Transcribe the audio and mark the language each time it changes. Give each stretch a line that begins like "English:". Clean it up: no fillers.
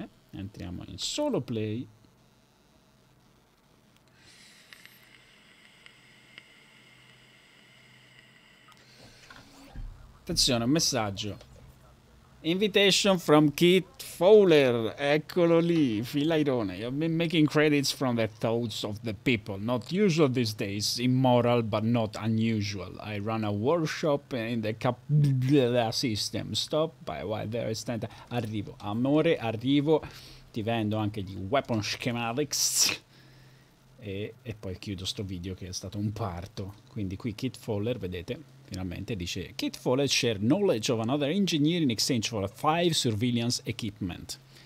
Italian: Entriamo in solo play. Attenzione, un messaggio.
English: Invitation from Kit Fowler.
Italian: Eccolo lì, filairone.
English: You've been making credits from the thoughts of the people. Not usual these days. Immoral, but not unusual. I run a workshop in the system. Stop by while there is time.
Italian: Arrivo, amore, arrivo. Ti vendo anche gli weapon schematics. E poi chiudo sto video che è stato un parto. Quindi qui Kit Fowler, vedete. Finalmente dice
English: Kit Fowler share knowledge of another engineer in exchange for 5 surveillance equipment.